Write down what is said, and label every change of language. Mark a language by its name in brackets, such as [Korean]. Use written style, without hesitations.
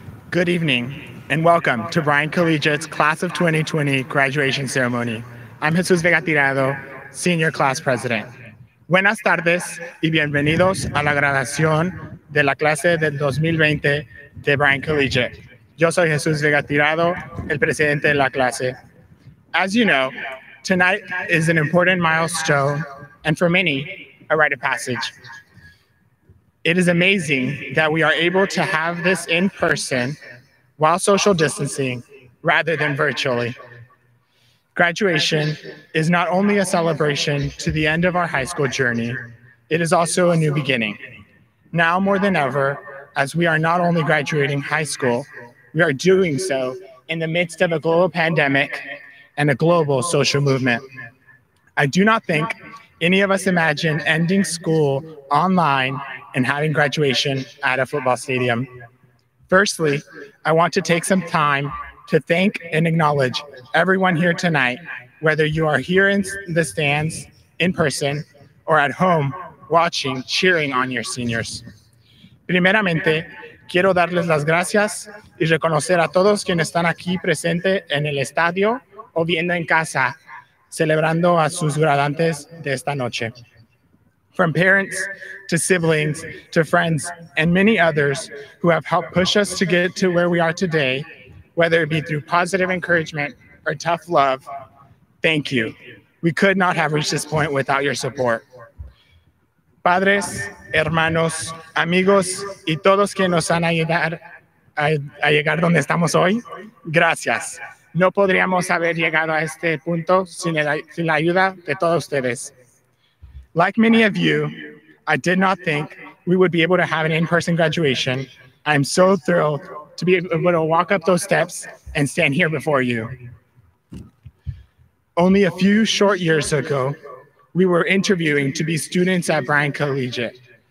[English] Good evening. And welcome to Bryan Collegiate's Class of 2020 graduation ceremony. I'm Jesus Vega Tirado, Senior Class President. [Spanish] Buenas tardes y bienvenidos a la graduación de la clase del 2020 de Bryan Collegiate. Yo soy Jesus Vega Tirado, el presidente de la clase. [English] As you know, tonight is an important milestone, and for many, a rite of passage. It is amazing that we are able to have this in person while social distancing, rather than virtually. Graduation is not only a celebration to the end of our high school journey, it is also a new beginning. Now more than ever, as we are not only graduating high school, we are doing so in the midst of a global pandemic and a global social movement. I do not think any of us imagine ending school online and having graduation at a football stadium. Firstly, I want to take some time to thank and acknowledge everyone here tonight, whether you are here in the stands, in person, or at home, watching, cheering on your seniors. [Spanish] Primeramente, quiero darles las gracias y reconocer a todos quienes están aquí presentes en el estadio o viendo en casa, celebrando a sus graduandos de esta noche. [English] From parents to siblings to friends and many others who have helped push us to get to where we are today, whether it be through positive encouragement or tough love, thank you. We could not have reached this point without your support. [Spanish] Padres, hermanos, amigos, y todos que nos han ayudado a llegar donde estamos hoy, gracias. No podríamos haber llegado a este punto sin la ayuda de todos ustedes. [English] Like many of you, I did not think we would be able to have an in-person graduation. I am so thrilled to be able to walk up those steps and stand here before you. Only a few short years ago, we were interviewing to be students at Bryan Collegiate.